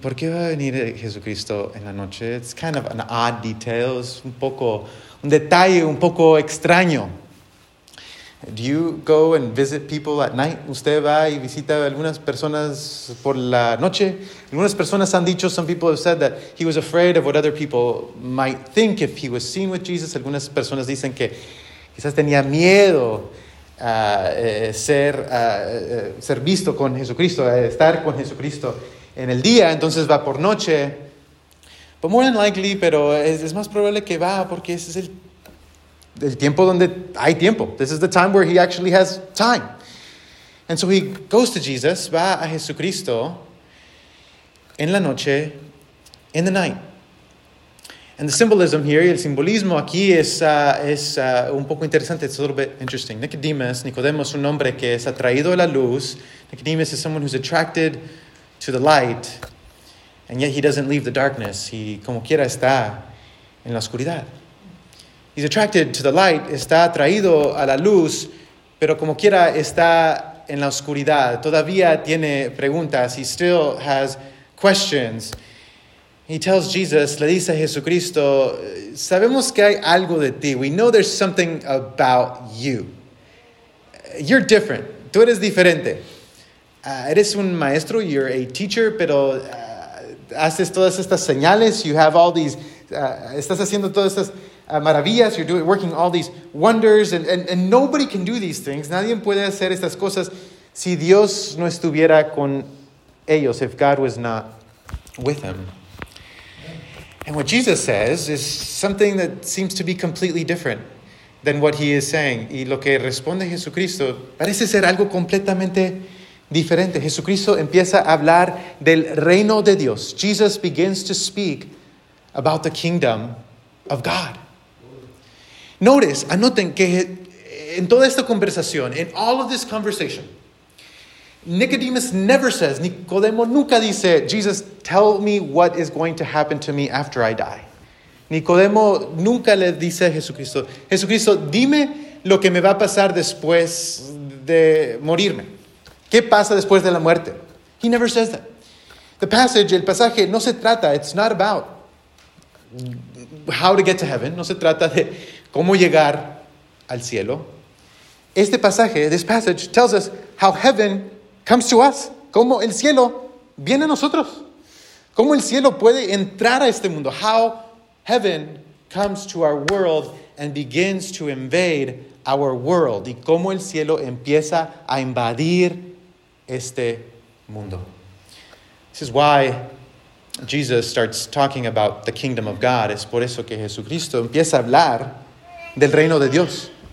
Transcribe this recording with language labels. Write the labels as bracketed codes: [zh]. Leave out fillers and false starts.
[es] ¿Por qué va a venir Jesucristo en la noche? [en] It's kind of an odd detail. [es] Es un poco, un detalle un poco extraño. [en] Do you go and visit people at night? [es] ¿Usted va y visita algunas personas por la noche? Algunas personas han dicho, [en] some people have said that he was afraid of what other people might think if he was seen with Jesus. [es] Algunas personas dicen que quizás tenía miedo ser visto con Jesucristo, estar con Jesucristo en el día, entonces va por noche. [en] But more than likely, [es] pero es más probable que va porque ese es el El tiempo donde hay tiempo. [en] This is the time where he actually has time. And so he goes to Jesus, [es] va a Jesucristo, en la noche, [en] in the night. And the symbolism here, [es] el simbolismo aquí es un poco interesante. [en] It's a little bit interesting. [es] Nicodemo es un hombre que es atraído a la luz. [en] Nicodemus is someone who's attracted to the light, and yet he doesn't leave the darkness. [es] He, como quiera, está en la oscuridad. [en] He's attracted to the light, [es] está atraído a la luz, pero como quiera está en la oscuridad. Todavía tiene preguntas. [en] He still has questions. He tells Jesus, [es] le dice a Jesucristo, sabemos que hay algo de ti. [en] We know there's something about you. You're different. [es] Tú eres diferente. Eres un maestro, [en] you're a teacher, [es] pero haces todas estas señales. [en] You have all these, [es] estás haciendo todas estas maravillas. [en] You're doing, working all these wonders. And nobody can do these things. [es] Nadie puede hacer estas cosas si Dios no estuviera con ellos, if God was not with them. [en] And what Jesus says is something that seems to be completely different than what he is saying. [es] Y lo que responde Jesucristo parece ser algo completamente diferente. Jesucristo empieza a hablar del reino de Dios. [en] Jesus begins to speak about the kingdom of God. Notice, [es] anoten que en toda esta conversación, [en] in all of this conversation, Nicodemus never says, [es] Nicodemo nunca dice, [en] Jesus, tell me what is going to happen to me after I die. [es] Nicodemo nunca le dice a Jesucristo, Jesucristo, dime lo que me va a pasar después de morirme. ¿Qué pasa después de la muerte? [en] He never says that. The passage, [es] el pasaje, no se trata, [en] it's not about how to get to heaven. [es] No se trata de cómo llegar al cielo. Este pasaje, [en] this passage, tells us how heaven comes to us. [es] Cómo el cielo viene a nosotros. Cómo el cielo puede entrar a este mundo. [en] How heaven comes to our world and begins to invade our world. [es] Y cómo el cielo empieza a invadir este mundo. [en] This is why Jesus starts talking about the kingdom of God. [es] Es por eso que Jesucristo empieza a hablar del reino de Dios.